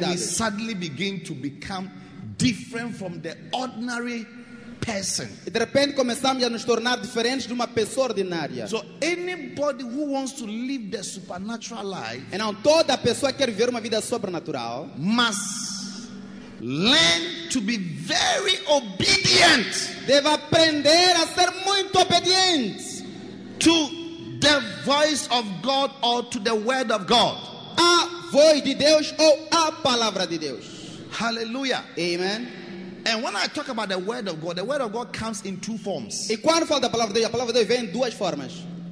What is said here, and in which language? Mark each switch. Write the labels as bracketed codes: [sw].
[en] Then we suddenly begin to become different from the ordinary person. [pt] E de repente começamos a nos tornar diferentes de uma pessoa ordinária. [en] So anybody who wants to live the supernatural life, [pt] então toda pessoa quer viver uma vida sobrenatural, [en] must learn to be very obedient. [pt] Deve aprender a ser muito obediente [en] to the voice of God or to the word of God. [pt] A voz de Deus ou a palavra de Deus. [en] Hallelujah. [pt] Amen. [en] And when I talk about the word of God comes in two forms. [pt] E quando falo da palavra de Deus, a palavra de Deus vem em duas formas.